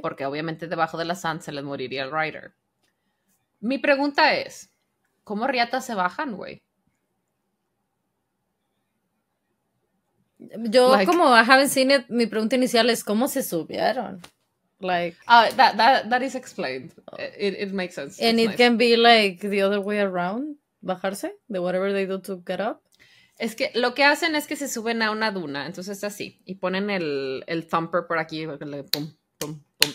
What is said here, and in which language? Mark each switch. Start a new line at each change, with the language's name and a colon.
Spanish: Porque obviamente debajo de la sand se le moriría el rider. Mi pregunta es, ¿cómo riata se bajan, güey? Yo, like, como
English: I haven't seen it,
Spanish: mi pregunta inicial es, ¿cómo se subieron?
English: Like that is explained. It makes sense. And it's nice. Can be like the other way around, bajarse, the whatever they do to get up.
Spanish: Es que lo que hacen es que se suben a una duna, entonces es así y ponen el thumper por aquí, like, pum pum pum.